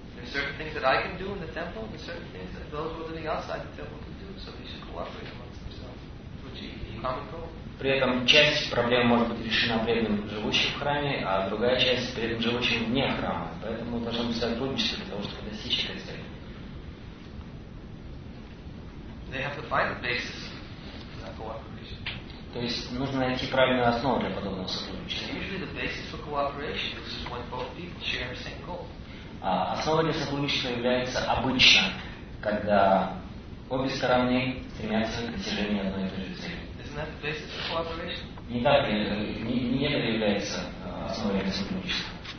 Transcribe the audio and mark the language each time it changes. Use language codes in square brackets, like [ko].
[en] There are certain things that I can do in the temple, and certain things that those who are living outside the temple can do. So they should cooperate amongst themselves. Which is a common goal. [ru] При этом часть проблем может быть решена преданным живущим в храме, а другая часть преданным живущим вне храма. Поэтому мы должны сотрудничать для того, чтобы достичь этой цели. [en] They have to find the basis for that cooperation. [ru] То есть нужно найти правильную основу для подобного сотрудничества. [en] Usually the basis for cooperation is when both people share the same goal. [ru] Основой для сотрудничества является обычно, когда обе стороны стремятся к достижению одной и той же цели. [en] Isn't that the basis for cooperation? [ru] Не так, не это является основой для сотрудничества.